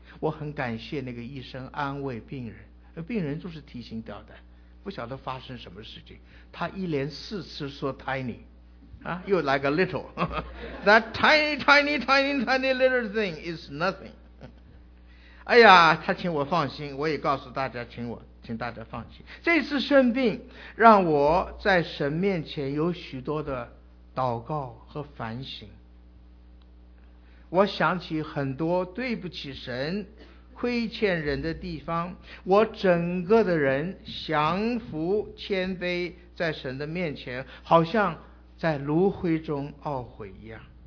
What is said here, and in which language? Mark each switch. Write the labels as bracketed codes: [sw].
[zh] 我很感谢那个医生安慰病人，病人就是提心吊胆，不晓得发生什么事情。他一连4次说 [en] tiny， [zh] 又来个 [en] little That tiny tiny tiny tiny little thing is nothing. [zh] 哎呀，他请我放心，我也告诉大家，请大家放心。这次生病让我在神面前有许多的祷告和反省。我想起很多对不起神、亏欠人的地方，我整个的人降服谦卑在神的面前，好像在炉灰中懊悔一样。